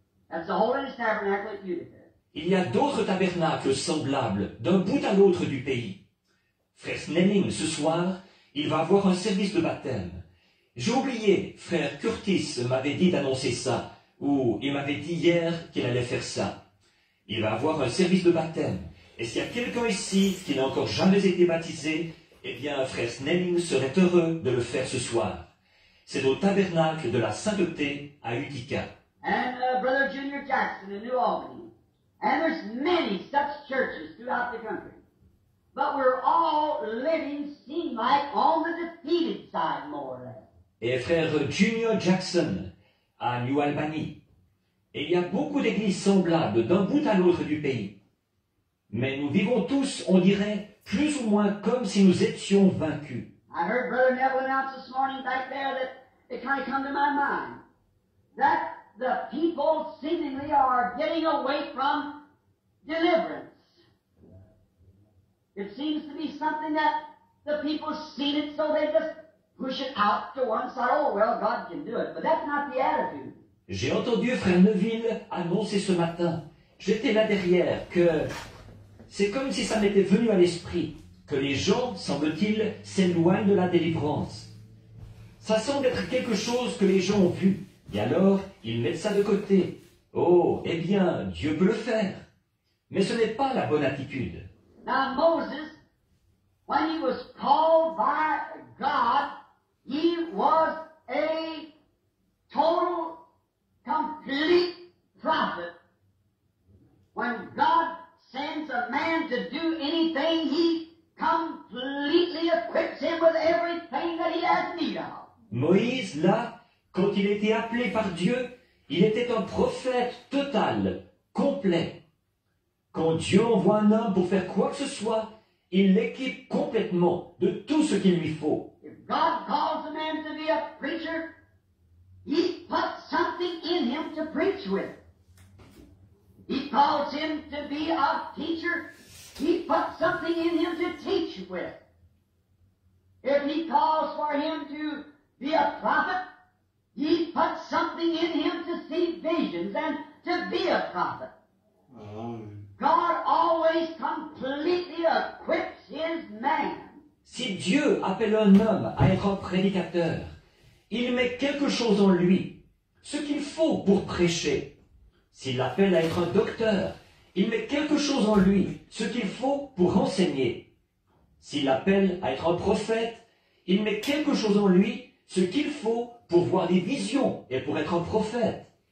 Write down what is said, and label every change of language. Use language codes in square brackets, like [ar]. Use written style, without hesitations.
[en] That's the holiness tabernacle at Utica. [fr] Il y a d'autres tabernacles semblables d'un bout à l'autre du pays. Frère Snelling, ce soir, il va avoir un service de baptême. J'ai oublié, frère Curtis m'avait dit d'annoncer ça, ou il m'avait dit hier qu'il allait faire ça. Il va avoir un service de baptême. Et s'il y a quelqu'un ici qui n'a encore jamais été baptisé, eh bien, frère Snelling serait heureux de le faire ce soir. C'est au tabernacle de la sainteté à Utica. [en] And Brother Junior Jackson in New Albany. And there's many such churches throughout the country. But we're all living, seem like, on the defeated side, more or less. [fr] Et frère Junior Jackson, à New Albany. Et il y a beaucoup d'églises semblables d'un bout à l'autre du pays. Mais nous vivons tous, on dirait, plus ou moins comme si nous étions vaincus. [en] I heard Brother Neville announce this morning back there that it kind of come to my mind. That the people seemingly are getting away from deliverance. It seems to be something that the people see it, so they just push it out to one side. Oh, well, God can do it. But that's not the attitude. [fr] J'ai entendu frère Neville annoncer ce matin, j'étais là derrière, que c'est comme si ça m'était venu à l'esprit, que les gens, semble-t-il, s'éloignent de la délivrance. Ça semble être quelque chose que les gens ont vu. Et alors, ils mettent ça de côté. Oh, eh bien, Dieu peut le faire. Mais ce n'est pas la bonne attitude. [en] Now, Moses, when he was called by God, he was a total, complete prophet. When God sends a man to do anything, he completely equips him with everything that he has need of. [fr] Moïse, là, quand il était appelé par Dieu, il était un prophète total, complet. Quand Dieu envoie un homme pour faire quoi que ce soit, il l'équipe complètement de tout ce qu'il lui faut. [en] If God calls a man to be a preacher, He put something in him to preach with. He calls him to be a teacher. He put something in him to teach with. If he calls for him to be a prophet, he put something in him to see visions and to be a prophet. God always completely equips his man. [fr] Si Dieu appelle un homme à être prédicateur, il met quelque chose en lui, ce qu'il faut pour prêcher. S'il l'appelle à être un docteur, il met quelque chose en lui, ce qu'il faut pour enseigner. S'il l'appelle à être un prophète, il met quelque chose en lui, ce qu'il faut pour voir des visions et pour être un prophète.